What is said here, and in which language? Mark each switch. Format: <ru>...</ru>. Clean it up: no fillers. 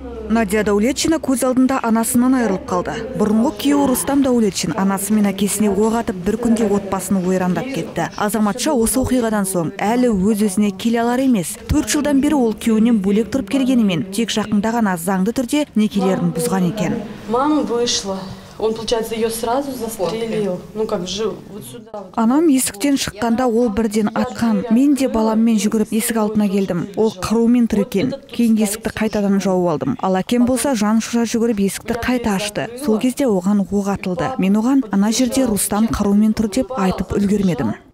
<kk>Надия Дәулетшина көз алдында анасынан айырылып қалды. Бұрынғы күйеуі Рустам Дәулетшин анасы мен әкесіне оқ атып бір күнде отбасын ойрандап кетті. Азаматша осы оқиғадан соң әлі өз-өзіне келе алар емес. 4 жылдан бері ол күйеуінен бөлек тұрып келгенімен тек жақында ғана заңды түрде некелерін бұзған екен.</kk> <ru>Мама вышла. Он, получается, ее сразу застрелил. Ну, как же, вот сюда.</ru> <kk>Анам есіктен шыққанда ол бірден атқан. Мен де баламмен жүгіріп есік алдына келдім. Ол қырумен тұрекен. Кейін есікті қайтадан жауып алдым. Ал әкем болса жан шыра жүгіріп есікті қайта ашты. Сол кезде оған оқ атылды. Мен оған ана жерде Рустам қырумен тұр деп айтып үлгермедім.</kk>